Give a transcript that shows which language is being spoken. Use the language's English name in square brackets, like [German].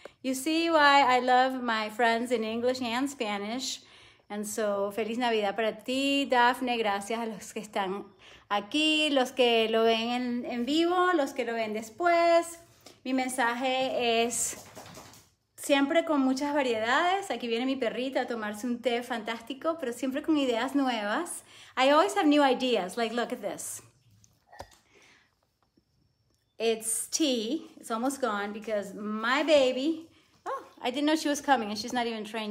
[English] You see why I love my friends in English and Spanish. And so, [Spanish] feliz Navidad para ti, Daphne. Gracias a los que están aquí, los que lo ven en vivo, los que lo ven después. Mi mensaje es siempre con muchas variedades. Aquí viene mi perrita a tomarse un té fantástico, pero siempre con ideas nuevas. [English] I always have new ideas, like look at this. It's tea, it's almost gone because my baby, oh, I didn't know she was coming and she's not even trained.